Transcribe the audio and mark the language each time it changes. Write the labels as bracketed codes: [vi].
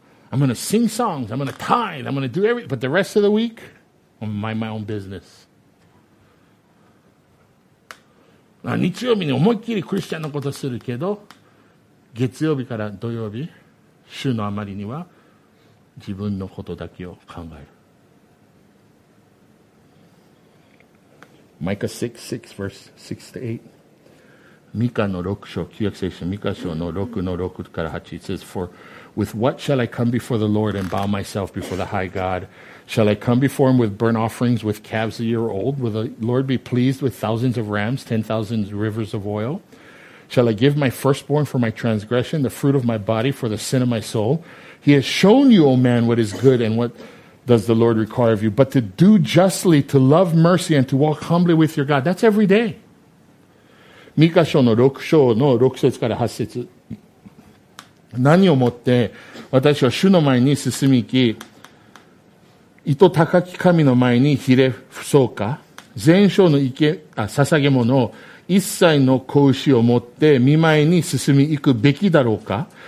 [en] I'm going to sing songs, I'm going to tithe, I'm going to do everything, but the rest of the week, I'm mind my own business. [ja] 日曜日に思いっきりクリスチャンのことするけど、月曜日から土曜日、週のあまりには自分のことだけを考える。 [en] Micah 6:6 verse 6 to 8. [ja] ミカの6章、旧約聖書ミカ書の6の6から8 [en] it says, For with what shall I come before the Lord and bow myself before the high God? Shall I come before him with burnt offerings with calves a year old? Will the Lord be pleased with thousands of rams, 10,000 rivers of oil? Shall I give my firstborn for my transgression, the fruit of my body for the sin of my soul? He has shown you, O man, what is good and what does the Lord require of you, but to do justly, to love mercy, and to walk humbly with your God. That's every day. [ja] ミカ書の6章の6節から8節。何をもって私は主の前に進み行き、いと高き神の前にひれ伏そうか。全焼の捧げ物を一切の子牛を持って見舞いに進み行くべきだろうか。